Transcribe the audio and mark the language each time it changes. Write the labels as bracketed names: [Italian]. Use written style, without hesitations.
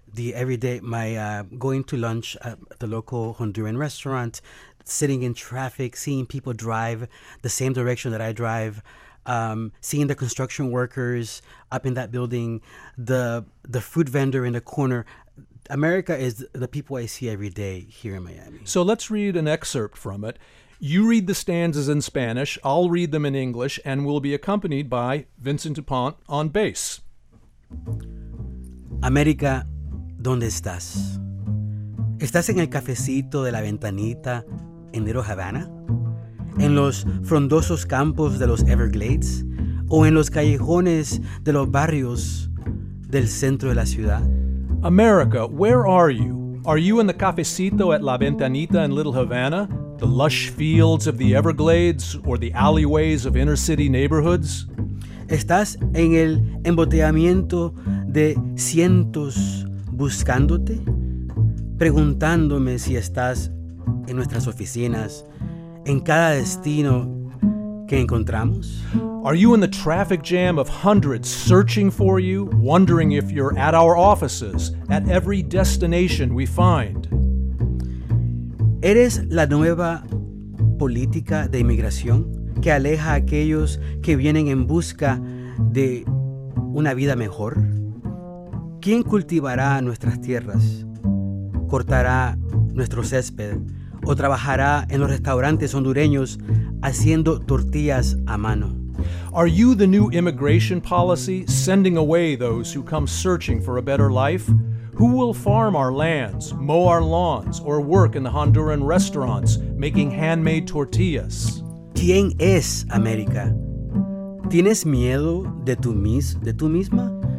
[English] The everyday, my going to lunch at the local Honduran restaurant, sitting in traffic, seeing people drive the same direction that I drive, seeing the construction workers up in that building, the food vendor in the corner. America is the people I see every day here in Miami. So let's read an excerpt from it. You read the stanzas in Spanish, I'll read them in English, and will be accompanied by Vincent DuPont on bass. [Spanish] América, ¿dónde estás? ¿Estás en el cafecito de la ventanita en Little Havana? ¿En los frondosos campos de los Everglades? ¿O en los callejones de los barrios del centro de la ciudad? [English] America, where are you? Are you in the cafecito at La Ventanita in Little Havana? The lush fields of the Everglades or the alleyways of inner city neighborhoods? [Spanish] ¿Estás en el embotellamiento de cientos buscándote? Preguntándome si estás en nuestras oficinas, en cada destino que encontramos? [English] Are you in the traffic jam of hundreds searching for you, wondering if you're at our offices, at every destination we find? [Spanish] ¿Eres la nueva política de inmigración que aleja a aquellos que vienen en busca de una vida mejor? ¿Quién cultivará nuestras tierras, cortará nuestro césped o trabajará en los restaurantes hondureños haciendo tortillas a mano? [English] Are you the new immigration policy, sending away those who come searching for a better life? Who will farm our lands, mow our lawns, or work in the Honduran restaurants making handmade tortillas? [Spanish] ¿Quién es América? ¿Tienes miedo de tú misma?